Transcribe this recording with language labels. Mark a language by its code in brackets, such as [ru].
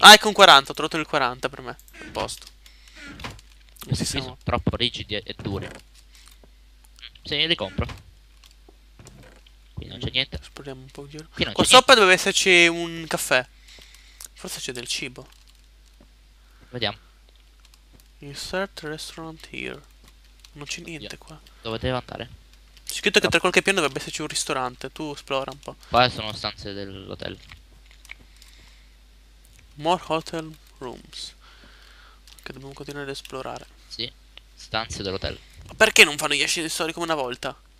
[it] Ah, ecco un 40. Ho trovato il 40 per me. A posto. Questi sono troppo rigidi e duri. Se ne li compro. Qui non c'è niente. Speriamo un po' di... qua sopra dovrebbe esserci un caffè. Forse c'è del cibo. Vediamo. [en] Insert restaurant here. [it] Non c'è niente qua. Dove devo andare? C'è scritto che tra qualche piano dovrebbe esserci un ristorante. Tu esplora un po'. Qua sono stanze dell'hotel. [en] More hotel rooms. [it] Che dobbiamo continuare ad esplorare. Sì, stanze dell'hotel. Ma perché non fanno gli ascensori come una volta?